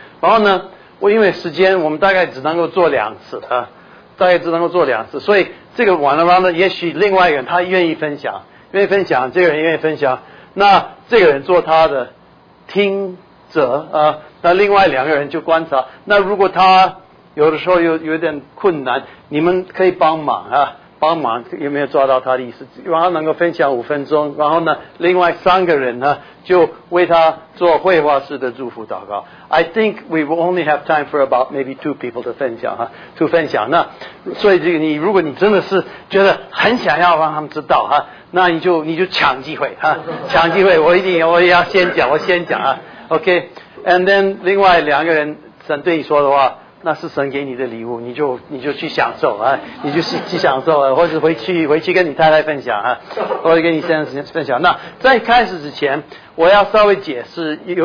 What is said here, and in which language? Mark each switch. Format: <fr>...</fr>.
<zh>然后呢我因为时间我们大概只能够做两次啊，大概只能够做两次，所以这个完了完了，也许另外一个人他愿意分享，这个人愿意分享，那这个人做他的听者啊，那另外两个人就观察。那如果他有的时候有点困难，你们可以帮忙啊，帮忙有没有抓到他的意思，然后能够分享五分钟，然后呢另外三个人呢就为他做绘画式的祝福祷告。</zh> <en>I think we will only have time for about maybe two people to</en> <zh>分享啊</zh> <en>to</en> <zh>分享。那所以这个你如果你真的是觉得很想要让他们知道啊，那你就抢机会啊，抢机会，我一定要先讲啊OK。</zh> <en>And then</en> <zh>另外两个人神对你说的话，那是神给你的礼物，你就去享受啊，你就去享受啊，或者回去跟你太太分享啊，或者跟你先生分享。那在开始之前我要稍微解释，</zh>